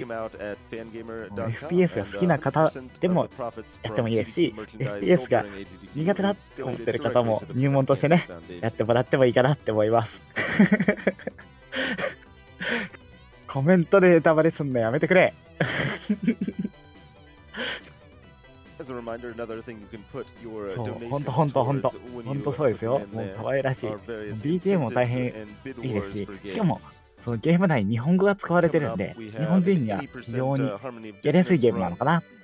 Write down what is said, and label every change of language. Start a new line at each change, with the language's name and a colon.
Japanese: FPS が好きな方でもやってもいいですし、FPS が苦手だと思ってる方も入門としてね、やってもらってもいいかなって思います。コメントでネタバレすんのやめてくれ。
English: As a reminder, another thing you can put your donation towards when you want to win.
Japanese: BGM も大変いいですし、しかもそのゲーム内に日本語が使われてるんで、日本人には非常にやりやすいゲームなのかな。